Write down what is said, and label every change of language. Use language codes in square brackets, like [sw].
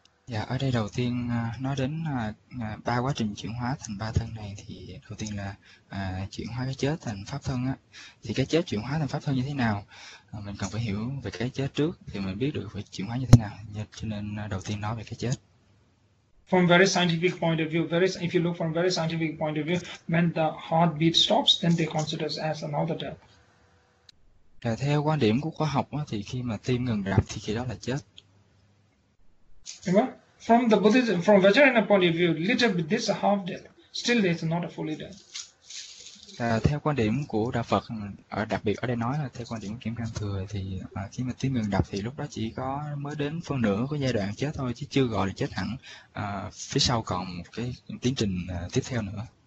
[vi] Dạ, ở đây đầu tiên nói đến ba quá trình chuyển hóa thành ba thân này, thì đầu tiên là chuyển hóa cái chết thành pháp thân á. Thì cái chết chuyển hóa thành pháp thân như thế nào? Mình cần phải hiểu về cái chết trước thì mình biết được phải chuyển hóa như thế nào. Cho nên đầu tiên nói về cái chết. [en] From very scientific point of view, if you look from very scientific point of view, when the heartbeat stops, then they consider as another death. [vi] Và theo quan điểm của khoa học á, thì khi mà tim ngừng đập thì khi đó là chết. [en] From the Buddhism, from Vajrayana point of view, little bit this a half death, still it's not a fully death. [vi] Theo quan điểm của Đạo Phật, ở đặc biệt ở đây nói là theo quan điểm Kim Cang Thừa, thì khi mà tim ngừng đập thì lúc đó chỉ có mới đến phân nửa của giai đoạn chết thôi, chứ chưa gọi là chết hẳn. Phía sau còn một cái tiến trình tiếp theo nữa.